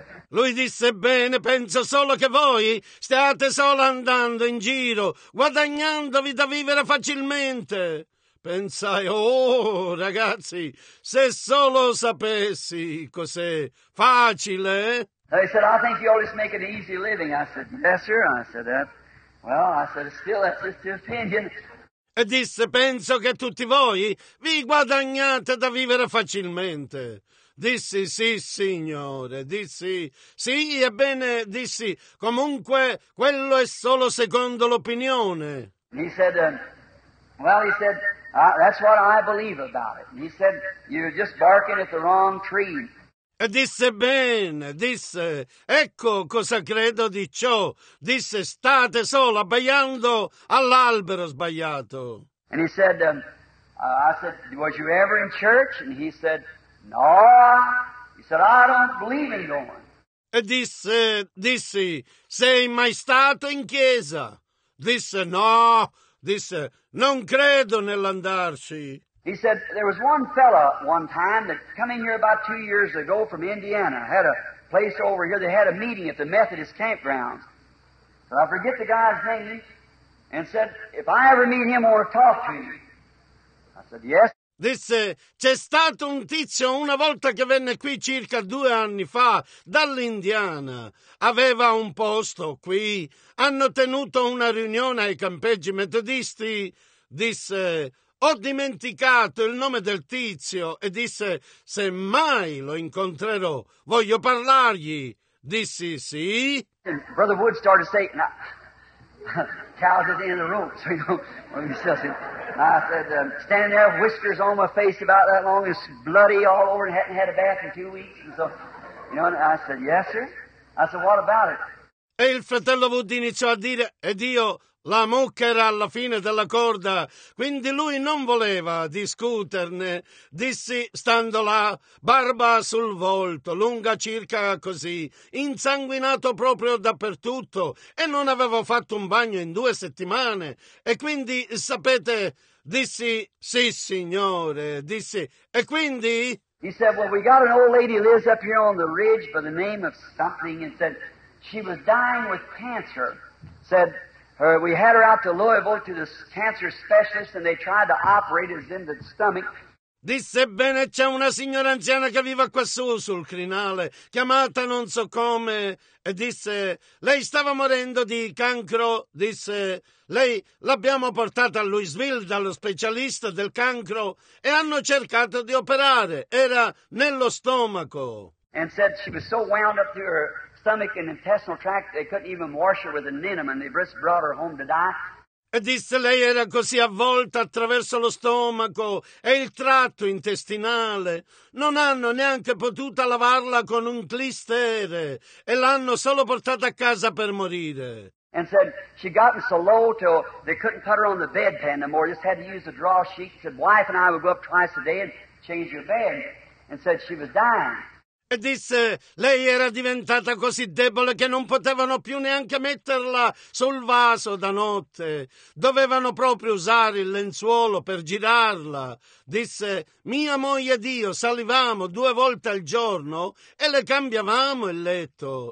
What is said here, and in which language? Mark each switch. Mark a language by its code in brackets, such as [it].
[it] Lui disse, bene, penso solo che voi stiate solo andando in giro, guadagnandovi da vivere facilmente. Pensai, oh ragazzi, se solo sapessi cos'è facile. [en] He said, I think you always make an easy living. I said, yes, sir. I said that. Well, I said, still, that's just the opinion. [it] E disse, penso che tutti voi vi guadagnate da vivere facilmente. Dissi, sì, signore, dissi, sì, ebbene, dissi, comunque, quello è solo secondo l'opinione. [en] He said, that's what I believe about it. He said, you're just barking at the wrong tree. [it] E disse, bene, disse, ecco cosa credo di ciò. Disse, state solo abbaiando all'albero sbagliato. [en] And he said, I said, was you ever in church? And he said, no. He said, I don't believe in going. [it] E disse, dissi, sei mai stato in chiesa? Disse, no. Disse, non credo nell'andarci. [en] He said, there was one fella one time that came in here about 2 years ago from Indiana. Had a place over here. They had a meeting at the Methodist campgrounds. But I forget the guy's name. And said, if I ever meet him, I want to talk to him. I said, yes. [it] Disse, c'è stato un tizio una volta che venne qui circa 2 anni fa dall'Indiana. Aveva un posto qui. Hanno tenuto una riunione ai campeggi metodisti. Disse, ho dimenticato il nome del tizio e disse, se mai lo incontrerò, voglio parlargli. Dissi, sì. [en] And Brother Wood started saying, cows at the end of the rope, so you know. I said, standing there with whiskers on my face about that long, it's bloody all over and hadn't had a bath in 2 weeks. And so, you know, and I said, yes, sir. I said, what about it? [it] E il fratello Wood iniziò a dire, ed io, la mucca era alla fine della corda, quindi lui non voleva discuterne. Dissi, stando là, barba sul volto, lunga circa così, insanguinato proprio dappertutto, e non avevo fatto un bagno in 2 settimane. E quindi, sapete, dissi, sì, signore, dissi, e quindi? [en] He said, well, we got an old lady lives up here on the ridge by the name of something, and said, she was dying with cancer. Said, we had her out to Louisville to this cancer specialist, and they tried to operate it in the stomach. [it] Disse, bene, c'è una signora anziana che vive qua su, sul crinale, chiamata non so come. E disse, lei stava morendo di cancro. Disse, lei l'abbiamo portata a Louisville dallo specialista del cancro e hanno cercato di operare. Era nello stomaco. [en] And said she was so wound up to her stomach and intestinal tract they couldn't even wash her with a enema and they just brought her home to die. [it] E disse lei era così avvolta attraverso lo stomaco e il tratto intestinale. Non hanno neanche potuto lavarla con un clistere e l'hanno solo portata a casa per morire. [en] And said she gotten so low till they couldn't put her on the bedpan no more, just had to use a draw sheet. Said wife and I would go up twice a day and change your bed. And said she was dying. [it] E disse, lei era diventata così debole che non potevano più neanche metterla sul vaso da notte. Dovevano proprio usare il lenzuolo per girarla. Disse, mia moglie ed io salivamo due volte al giorno e le cambiavamo il letto.